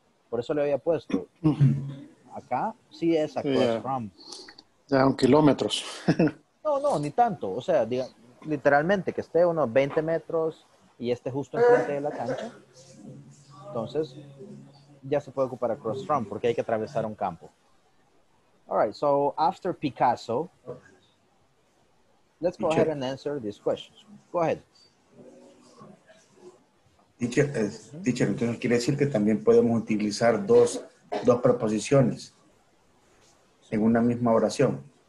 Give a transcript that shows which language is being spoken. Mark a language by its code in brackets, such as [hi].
[es] Por eso le había puesto. Acá, sí es across yeah. from. Ya, yeah, un kilómetro. No, ni tanto. O sea, diga, literalmente que esté unos 20 metros y esté justo enfrente de la cancha. Entonces, ya se puede ocupar across from porque hay que atravesar un campo. [en] All right, so after Picasso, let's go ahead and answer these questions. Go ahead. [es] Teacher, entonces quiere decir que también podemos utilizar dos preposiciones en una misma oración.